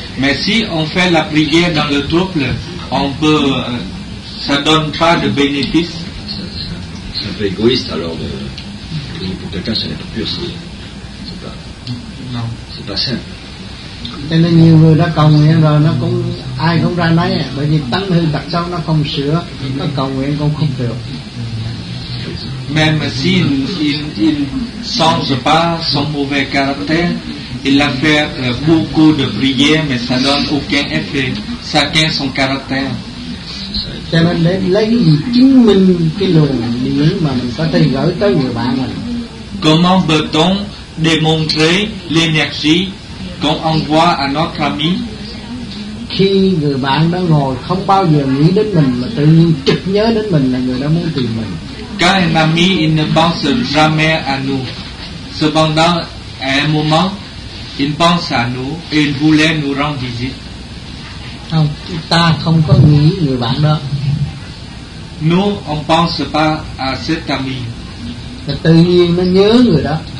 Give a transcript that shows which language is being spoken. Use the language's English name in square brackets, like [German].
[French] Mais si on fait la prière dans le trouble, on peut, ça ne donne pas de bénéfice. C'est un peu égoïste alors de prier pour quelqu'un, ce n'est pas pur, c'est pas simple. [Vietnamese] Cho nên nhiều người đã cầu nguyện rồi nó cũng ai cũng ra nấy, bởi vì tánh hư tật xấu nó không sửa, nó cầu nguyện cũng không được. [French] Même si il change pas son mauvais caractère, il a fait beaucoup de prières, mais ça donne aucun effet. Chacun son caractère. [Vietnamese] Cho nên lấy gì chứng minh cái luồng điển mà mình có thể gửi tới người bạn mình? [French] Comment peut-on démontrer l'énergie qu'on envoie à notre ami? [Vietnamese] Khi người bạn đó ngồi không bao giờ nghĩ đến mình mà tự nhiên trực nhớ đến mình là người đó muốn tìm mình. [French] Quand un ami il ne pense jamais à nous, cependant à un moment il pense à nous et il voulait nous rendre visite. [Vietnamese] Không, ta không có nghĩ người bạn đó. [French] Nous on pense pas à cet ami. [Vietnamese] Mà tự nhiên nó nhớ người đó.